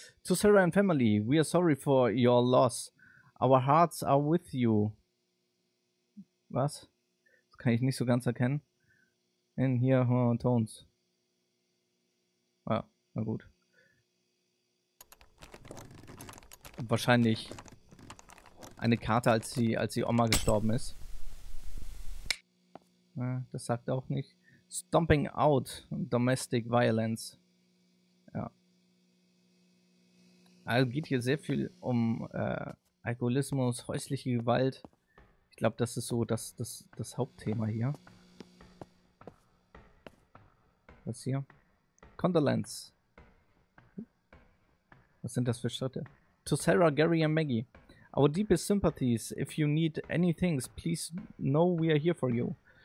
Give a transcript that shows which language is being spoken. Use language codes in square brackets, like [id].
[en] To Sarah and family, we are sorry for your loss. Our hearts are with you. [de] Was? Das kann ich nicht so ganz erkennen. [en] And here are tones. [de] Ah, na gut. Wahrscheinlich eine Karte, als die Oma gestorben ist. Ja, das sagt auch nicht. [en] Stomping out domestic violence. [de] Ja. Also geht hier sehr viel um Alkoholismus, häusliche Gewalt. Ich glaube, das ist so das Hauptthema hier. Was hier? Condolence. Was sind das für Schritte? [en] To Sarah, Gary and Maggie. Our deepest sympathies. If you need anything, please know we are here for you.